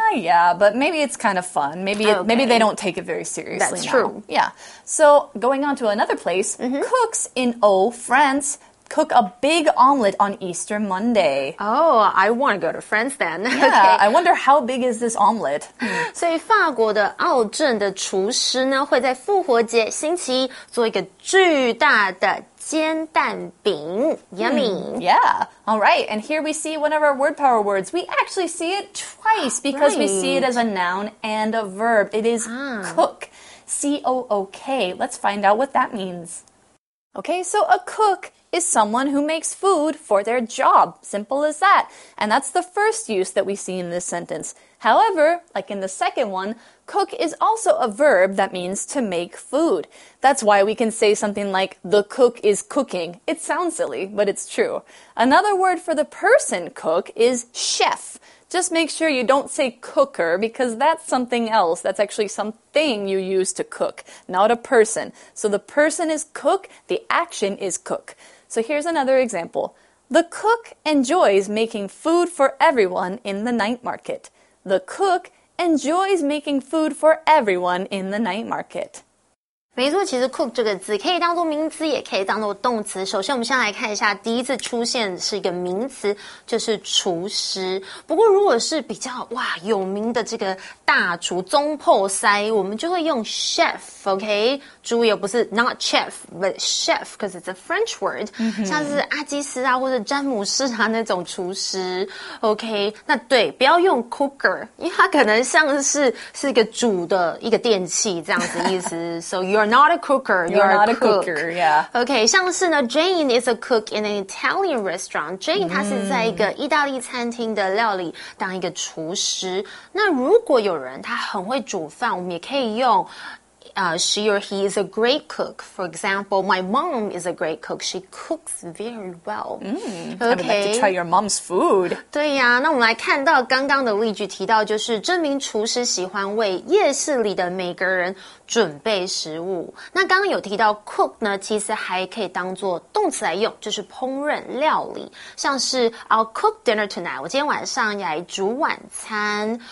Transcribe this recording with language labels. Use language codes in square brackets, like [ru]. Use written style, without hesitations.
[en] Yeah, but maybe it's kind of fun. Maybe they don't take it very seriously That's true. Yeah, so going on to another place, cooks in Eau, France,cook a big omelet on Easter Monday. Oh, I want to go to France then. Yeah, I wonder how big is this omelet? [zh] 所以法国的奥镇的厨师呢会在复活节星期一做一个巨大的煎蛋饼 [en] Yummy. Yeah. All right. And here we see one of our word power words. We actually see it twice because we see it as a noun and a verb. It is cook. C-O-O-K. Let's find out what that means. Okay, so a cookis someone who makes food for their job. Simple as that. And that's the first use that we see in this sentence. However, like in the second one, cook is also a verb that means to make food. That's why we can say something like, the cook is cooking. It sounds silly, but it's true. Another word for the person cook is chef. Just make sure you don't say cooker because that's something else. That's actually something you use to cook, not a person. So the person is cook, the action is cook. So here's another example. The cook enjoys making food for everyone in the night market. The cook enjoys making food for everyone in the night market. [zh] 没错，其实 cook 这个字可以当作名词，也可以当作动词。首先，我们先来看一下第一次出现是一个名词，就是厨师。不过，如果是比较哇有名的这个大厨宗破塞，我们就会用 chef。 [en] OK， [zh] 注意不是 [en] not chef， but chef， because it's a French word、mm-hmm.。 [zh] 像是阿基斯啊，或者詹姆斯啊那种厨师。 OK， 那对，不要用 cooker， 因为它可能像是一个煮的一个电器这样子意思。 [en] So you're not a cooker， you're not a cook. A cooker， yeah。 OK， [zh] 像是呢 [en] ，Jane is a cook in an Italian restaurant。 [zh] Jane 她是在一个意大利餐厅的料理当一个厨师。那如果有人他很会煮饭，我们也可以用。 [en] She or he is a great cook. For example, my mom is a great cook. She cooks very well. Okay. I would like to try your mom's food. [zh] 对呀，那我们来看到刚刚的例句提到，就是这名厨师喜欢为夜市里的每个人准备食物。那刚刚有提到 cook 呢，其实还可以当作动词来用，就是烹饪料理。像是 [en] I'll cook dinner tonight. [zh] 我今天晚上要来煮晚餐。